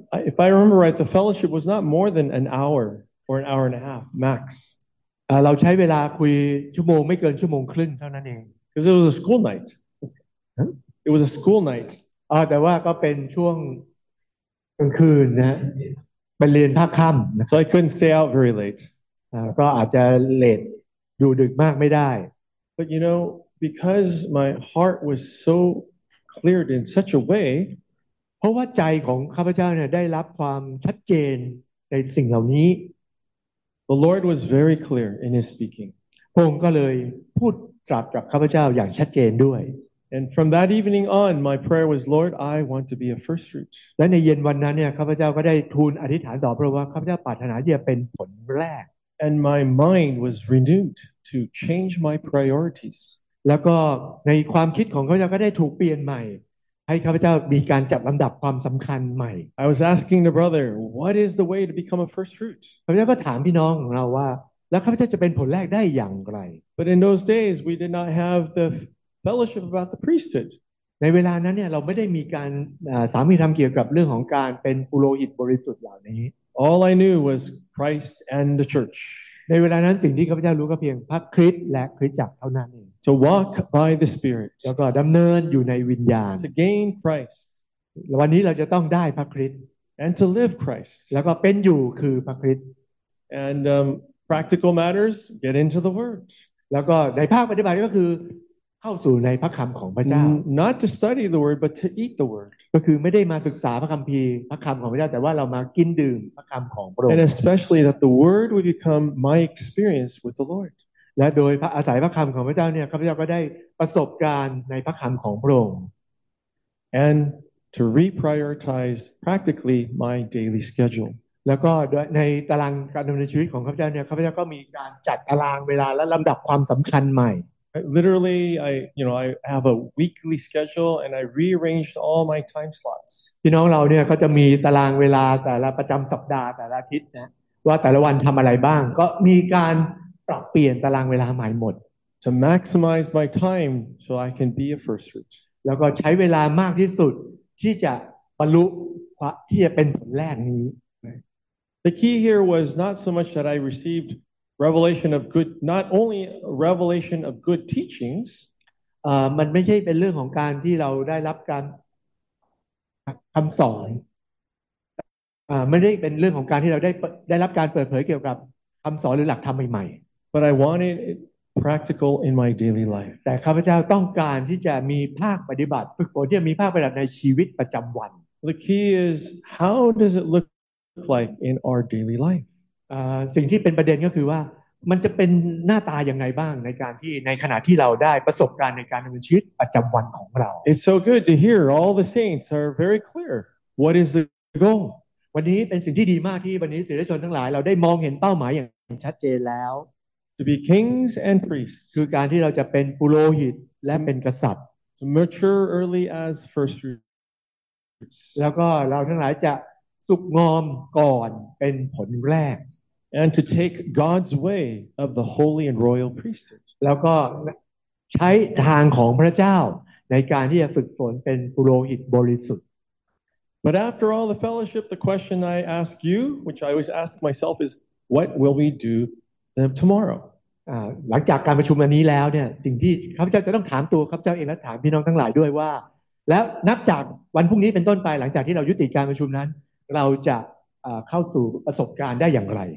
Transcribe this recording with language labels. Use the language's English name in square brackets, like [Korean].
[English] If I remember right the fellowship was not more than an hour or an hour and a half max [Thai] เราใช้เวลาคุยชั่วโมงไม่เกินชั่วโมงครึ่งเท่านั้นเอง [English] Because it was a school night It was a school night [Thai] แต่ว่าก็เป็นช่วงกลางคืนนะเป็นเรียนภาคค่ำ [English] so I couldn't stay out very late [Thai] ก็อาจจะเลทอยู่ดึกมากไม่ได้ [English] but you know because my heart was so cleared in such a way [Thai] เพราะว่าใจของข้าพเจ้าเนี่ยได้รับความชัดเจนในสิ่งเหล่านี้ [English] the Lord was very clear in His speaking [Thai] พระองค์ก็เลยพูดตรัสกับข้าพเจ้าอย่างชัดเจนด้วย [English] And from that evening on, my prayer was, Lord, I want to be a first fruit. [Thai] และในเย็นวันนั้นเนี่ยข้าพเจ้าก็ได้ทูลอธิษฐานต่อพระองค์ว่าข้าพเจ้าปรารถนาที่จะเป็นผลแรก [English] And my mind was renewed to change my priorities. [Thai] แล้วก็ในความคิดของข้าพเจ้าก็ได้ถูกเปลี่ยนใหม่ให้ข้าพเจ้ามีการจัดลำดับความสำคัญใหม่ [English] I was asking the brother, what is the way to become a first fruit? [Thai] ข้าพเจ้าก็ถามพี่น้องของเราว่าแล้วข้าพเจ้าจะเป็นผลแรกได้อย่างไร [English] But in those days, we did not have theFellowship about the priesthood. [Thai] ในเวลานั้นเนี่ยเราไม่ได้มีการสามีทำเกี่ยวกับเรื่องของการเป็นปุโรหิตบริสุทธิ์เหล่านี้ [English] All I knew was Christ and the church. [Thai] ในเวลานั้นสิ่งที่ข้าพเจ้ารู้ก็เพียงพระคริสต์และคริสตจักรเท่านั้นเอง [English] To walk by the Spirit. [Thai] แล้วก็ดำเนินอยู่ในวิญญาณ [English] To gain Christ. [Thai] วันนี้เราจะต้องได้พระคริสต์ [English] And to live Christ. [Thai] แล้วก็เป็นอยู่คือพระคริสต์ [English] And practical matters get into the Word. [Thai] แล้วก็ในภาคปฏิบัติก็คือเข้าสู่ในพระคำของพระเจ้า [English] Not to study the word but to eat the word [Thai] ก็คือไม่ได้มาศึกษาพระคัมภีร์พระคำของพระเจ้าแต่ว่าเรามากินดื่มพระคำของพระองค์ [English] And especially that the word would become my experience with the Lord [Thai] และโดยอาศัยพระคำของพระเจ้าเนี่ยข้าพเจ้าก็ได้ประสบการณ์ในพระคำของพระองค์ [English] and to reprioritize practically my daily schedule [Thai] แล้วก็ในตารางการดำเนินชีวิตของข้าพเจ้าเนี่ยข้าพเจ้าก็มีการจัดตารางเวลาและลำดับความสำคัญใหม่ [English] Literally, I have a weekly schedule and I rearranged all my time slots. [Thai] พี่น้องเราเนี่ยเขาจะมีตารางเวลาแต่ละประจำสัปดาห์แต่ละอาทิตย์นะว่าแต่ละวันทำอะไรบ้างก็มีการปรับเปลี่ยนตารางเวลาใหม่หมด [English] To maximize my time so I can be a first fruit. [Thai] แล้วก็ใช้เวลามากที่สุดที่จะบรรลุที่จะเป็นผลแรกนี้ [English] The key here was not so much that I recedRevelation of good, not only revelation of good teachings. [Thai] มันไม่ใช่เป็นเรื่องของการที่เราได้รับการคำสอนไม่ได้เป็นเรื่องของการที่เราได้รับการเปิดเผยเกี่ยวกับคำสอนหรือหลักธรรมใหม่ [English] ๆ But I wanted it practical in my daily life. [Thai] แต่ข้าพเจ้าต้องการที่จะมีภาคปฏิบัติฝึกฝนที่จะมีภาคปฏิบัติในชีวิตประจำวัน [English] The key is how does it look like in our daily life. [Thai] สิ่งที่เป็นประเด็นก็คือว่ามันจะเป็นหน้าตาอย่างไรบ้างในการที่ในขณะที่เราได้ประสบการณ์ในการดำเนินชีวิตประจำวันของเรา [English] It's so good to hear all the saints are very clear what is the goal [Thai] วันนี้เป็นสิ่งที่ดีมากที่วันนี้สิทธิชนทั้งหลายเราได้มองเห็นเป้าหมายอย่างชัดเจนแล้ว [English] To be kings and priests [Thai] คือการที่เราจะเป็นปุโรหิตและเป็นกษัตริย์ [English] To mature early as first fruits [Thai] แล้วก็เราทั้งหลายจะสุกงอมก่อนเป็นผลแรก [English] And to take God's way of the holy and royal priesthood. [Thai] แล้วก็ใช้ทางของพระเจ้าในการที่จะฝึกฝนเป็นปุโรหิตบริสุทธิ์ [English] But after all the fellowship, the question I ask you, which I always ask myself, is what will we do tomorrow? [Thai] หลังจากการประชุมวันนี้แล้วเนี่ยสิ่งที่ข้าพเจ้าจะต้องถามตัวข้าพเจ้าเองและถามพี่น้องทั้งหลายด้วยว่าแล้วนับจากวันพรุ่งนี้เป็นต้นไปหลังจากที่เรายุติการประชุมนั้นเราจะเข้าสู่ประสบการณ์ได้อย่างไร